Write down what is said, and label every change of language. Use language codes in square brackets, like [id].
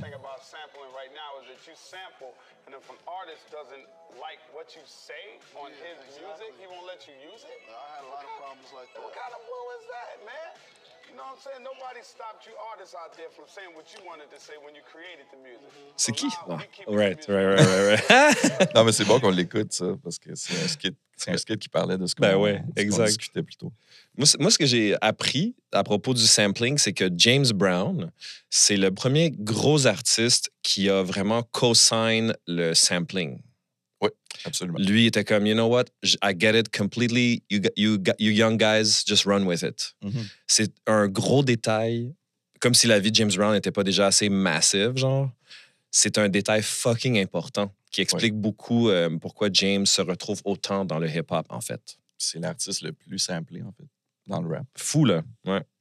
[en] The thing about sampling right now is that you sample, and if an artist doesn't like what you say on his music, he won't let you use it. I had a lot of problems like that. What kind of blue is that, man? You know what I'm saying? Nobody stopped you artists out there from saying what you wanted to say when you created the music. [fr] C'est qui? [en] Right. [fr] Non, mais c'est bon qu'on l'écoute, ça, parce que c'est un skit qui parlait de ce qu'on discutait plus tôt. Moi, ce que j'ai appris à propos du sampling, c'est que James Brown, c'est le premier gros artiste qui a vraiment co-signé le sampling. Oui, absolument. Lui, il était comme, [en] you know what, I get it completely, you young guys, just run with it. Mm-hmm. [fr] C'est un gros détail, comme si la vie de James Brown n'était pas déjà assez massive, genre. C'est un détail fucking important qui explique beaucoup pourquoi James se retrouve autant dans le hip-hop, en fait. C'est l'artiste le plus samplé, en fait, dans le rap. Fou, là. Ouais.